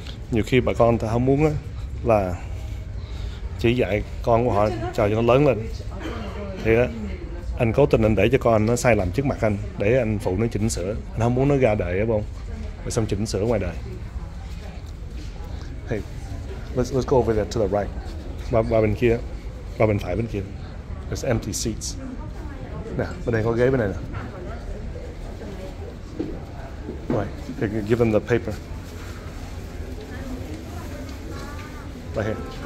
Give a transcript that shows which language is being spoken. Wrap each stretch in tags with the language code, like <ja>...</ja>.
<vi>Nhiều khi bà con ta không muốn á là chỉ dạy con của họ cho nó lớn lên. Thì đó, anh cố tình anh để cho con nó sai lầm trước mặt anh để anh phụ nó chỉnh sửa. Anh không muốn nó ra đời á bông. Rồi xong chỉnh sửa ngoài đời.</vi> <en>Hey, let's go over there to the right.</en> <vi>Qua bên kia. Qua bên phải bên kia.</vi> <en>There's empty seats.</en> <vi>Nè, bên đây có ghế bên này nè.</vi> <en>Right, here, give them the paper. Right here.</en>